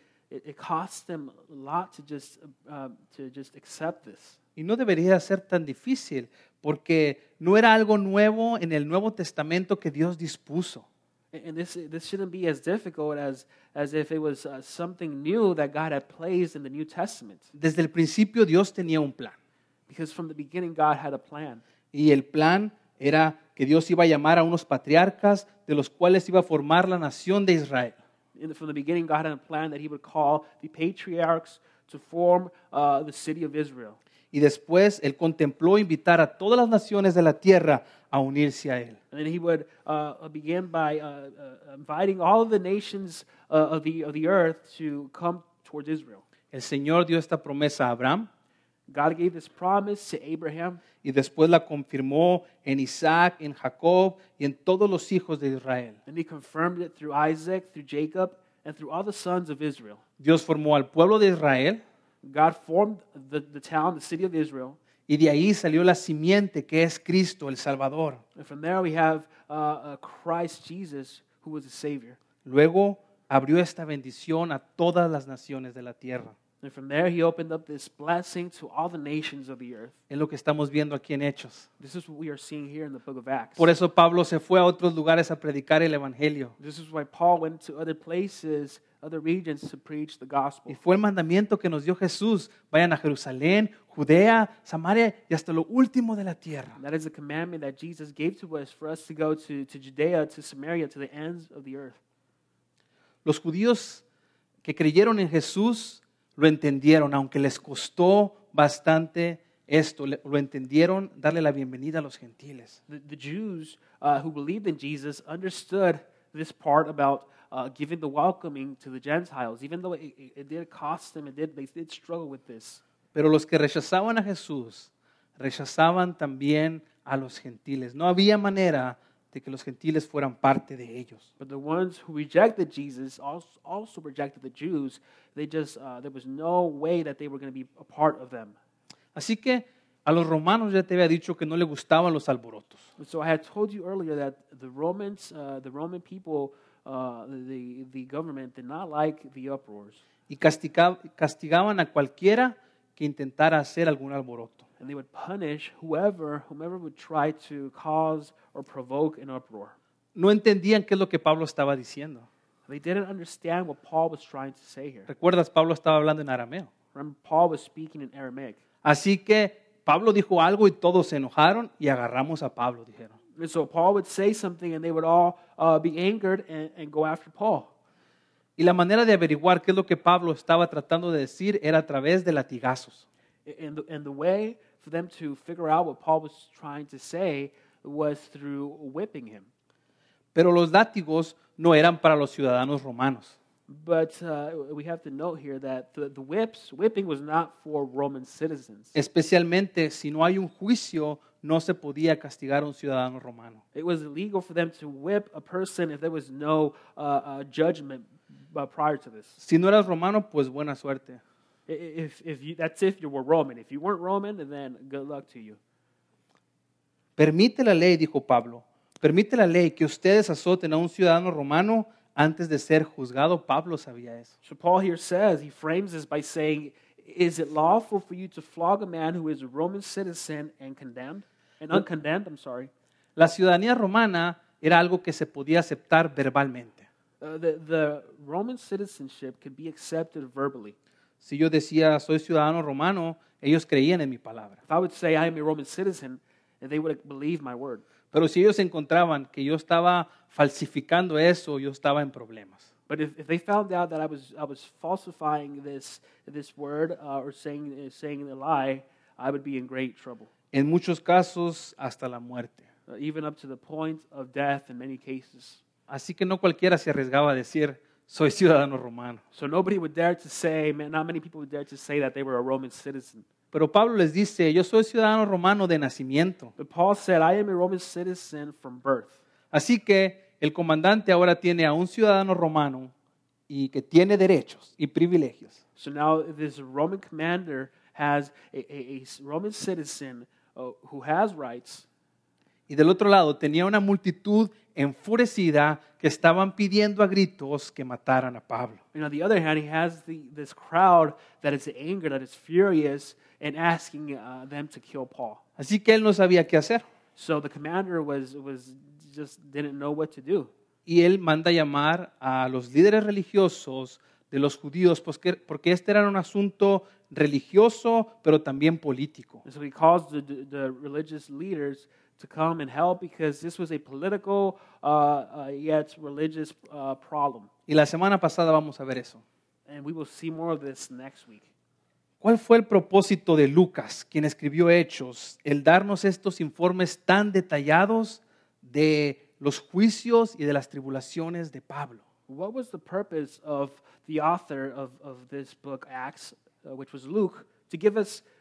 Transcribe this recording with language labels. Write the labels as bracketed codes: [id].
[en] It costs them a lot to just accept this. [es] Y no debería ser tan difícil, porque no era algo nuevo en el Nuevo Testamento que Dios dispuso. [en] And this shouldn't be as difficult as if it was something new that God had placed in the New Testament. [es] Desde el principio Dios tenía un plan. [en] Because from the beginning God had a plan. [es] Y el plan era que Dios iba a llamar a unos patriarcas de los cuales iba a formar la nación de Israel. [en] From the beginning, God had a plan that he would call the patriarchs to form the city of Israel. [es] Y después, él contempló invitar a todas las naciones de la tierra a unirse a él. [en] And then he would begin by inviting all of the nations of the earth to come towards Israel. [es] El Señor dio esta promesa a Abraham. [en] God gave this promise to Abraham. [es] Y después la confirmó en Isaac, en Jacob, y en todos los hijos de Israel. [en] And he confirmed it through Isaac, through Jacob, and through all the sons of Israel. [es] Dios formó al pueblo de Israel. [en] God formed the town, the city of Israel. [es] Y de ahí salió la simiente que es Cristo, el Salvador. [en] And from there we have Christ Jesus, who was the Savior. [es] Luego abrió esta bendición a todas las naciones de la tierra. [en] And from there he opened up this blessing to all the nations of the earth. [es] Es lo que estamos viendo aquí en Hechos. [en] This is what we are seeing here in the book of Acts. [es] Por eso Pablo se fue a otros lugares a predicar el Evangelio. [en] This is why Paul went to other places, other regions to preach the gospel. [es] Y fue el mandamiento que nos dio Jesús. Vayan a Jerusalén, Judea, Samaria y hasta lo último de la tierra. [en] That is the commandment that Jesus gave to us for us to go to Judea, to Samaria, to the ends of the earth. [es] Los judíos que creyeron en Jesús lo entendieron, aunque les costó bastante esto. Lo entendieron darle la bienvenida a los gentiles. [en] The Jews who believed in Jesus understood this part about giving the welcoming to the Gentiles, even though it did cost them, they did struggle with this. [es] Pero los que rechazaban a Jesús, rechazaban también a los gentiles. No había manera de que los gentiles fueran parte de ellos. [en] But the ones who rejected Jesus also rejected the Jews. There was no way that they were going to be a part of them. [es] Así que a los romanos ya te había dicho que no le gustaban los alborotos. [en] So I had told you earlier that the Roman people, the government did not like the uproars. [es] Y castigaban a cualquiera que intentara hacer algún alboroto. [en] And they would punish whomever would try to cause or provoke an uproar. [es] No entendían qué es lo que Pablo estaba diciendo. [en] They didn't understand what Paul was trying to say here. [es] ¿Recuerdas? Pablo estaba hablando en arameo. [en] Remember, Paul was speaking in Aramaic. [es] Así que Pablo dijo algo y todos se enojaron y agarramos a Pablo, dijeron. [en] And so Paul would say something and they would all be angered and go after Paul. [es] Y la manera de averiguar qué es lo que Pablo estaba tratando de decir era a través de latigazos. [en] And the way for them to figure out what Paul was trying to say was through whipping him. [es] Pero los látigos no eran para los ciudadanos romanos. [en] But we have to note here that the whipping was not for Roman citizens. [es] Especialmente si no hay un juicio, no se podía castigar a un ciudadano romano. [en] It was illegal for them to whip a person if there was no judgment prior to this. [es] Si no eras romano, pues buena suerte. [en] If you were Roman. If you weren't Roman, then good luck to you. [es] Permite la ley, dijo Pablo. Permite la ley que ustedes azoten a un ciudadano romano antes de ser juzgado. Pablo sabía eso. [en] So Paul here says, he frames this by saying, is it lawful for you to flog a man who is a Roman citizen and condemned? And uncondemned, I'm sorry. [es] La ciudadanía romana era algo que se podía aceptar verbalmente. [en] The Roman citizenship could be accepted verbally. [es] Si yo decía, soy ciudadano romano, ellos creían en mi palabra. [en] If I would say, I am a Roman citizen, they would believe my word. [es] Pero si ellos encontraban que yo estaba falsificando eso, yo estaba en problemas. [en] But if they found out that I was falsifying this word or saying a lie, I would be in great trouble. [es] En muchos casos, hasta la muerte. [en] Even up to the point of death in many cases. [es] Así que no cualquiera se arriesgaba a decir, soy ciudadano romano. [en] So nobody would dare to say, not many people would dare to say that they were a Roman citizen. [es] Pero Pablo les dice, yo soy ciudadano romano de nacimiento. [en] But Paul said, I am a Roman citizen from birth. [es] Así que el comandante ahora tiene a un ciudadano romano y que tiene derechos y privilegios. [en] So now this Roman commander has a Roman citizen who has rights. [es] Y del otro lado tenía una multitud enfurecida que estaban pidiendo a gritos que mataran a Pablo. [en] And on the other hand, he has this crowd that is angry, that is furious, and asking them to kill Paul. [es] Así que él no sabía qué hacer. [en] So the commander was just didn't know what to do. [es] Y él manda llamar a los líderes religiosos de los judíos, porque este era un asunto religioso, pero también político. [en] And so he calls the religious leaders to come and help because this was a political yet religious problem. [es] Y la semana pasada vamos a ver eso. [en] And we will see more of this next week. [es] ¿Cuál fue el propósito de Lucas, quien escribió Hechos, el darnos estos informes tan detallados de los juicios y de las tribulaciones de Pablo? [en] What was the purpose of the author of this book Acts, which was Luke, to give us